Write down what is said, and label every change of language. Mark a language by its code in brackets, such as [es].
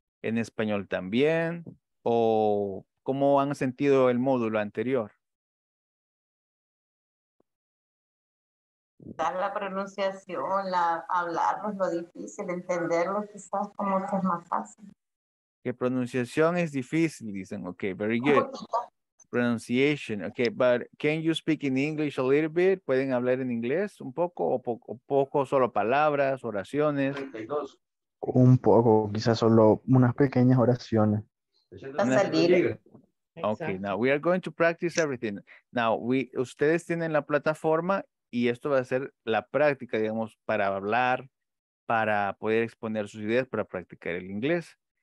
[es] ¿En español también? ¿O cómo han sentido el módulo anterior? La pronunciación, hablarlos, lo difícil, entenderlo quizás como que es más fácil. Que pronunciación es difícil, dicen. [en] Ok, very good. Pronunciation, okay, but can you speak in English a little bit? [es] ¿Pueden hablar en inglés un poco o poco solo palabras, oraciones? 32. Un poco, quizás solo unas pequeñas oraciones. [en] Okay, now we are going to practice everything. [es] Ustedes tienen la plataforma y esto va a ser la práctica, digamos, para hablar, para poder exponer sus ideas, para practicar el inglés.